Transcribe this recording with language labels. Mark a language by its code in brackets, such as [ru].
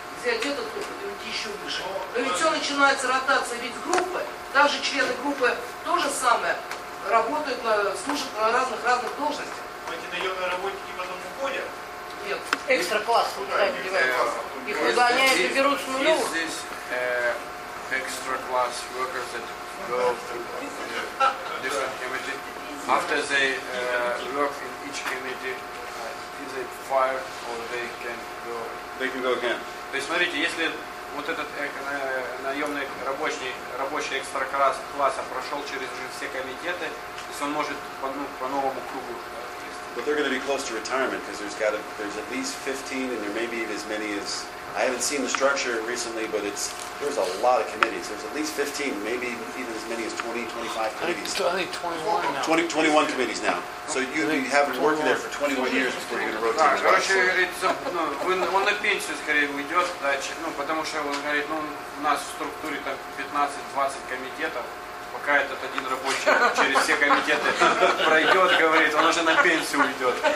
[ru] взять этот опыт и уйти еще выше. Но ведь все начинается ротация, ведь группы, даже члены группы то же самое, работают, служат на разных должностях. Эти наемные работники потом уходят? Нет. Экстра класс, куда их выгоняют и берут с нуля. [en] Is this extra class workers that go to different committee? After they work in each committee, is it fired or they can go? They can go again. [ru] То есть смотрите, если вот этот наемный рабочий экстра класса прошел через все комитеты, то есть он может по новому кругу. [en] But they're going to be close to retirement because there's at least 15, and there may be as many as, I haven't seen the structure recently, but there's a lot of committees. There's at least 15, maybe even as many as 20, 25 committees. I think 21 now. 21 committees now. So you haven't worked there for 21 years before you're going to rotate. [ru] Короче, он на пенсию скорее уйдет, да, потому что он говорит, у нас в структуре там 15-20 комитетов. Пока этот один рабочий через все комитеты пройдет, говорит, он уже на пенсию уйдет.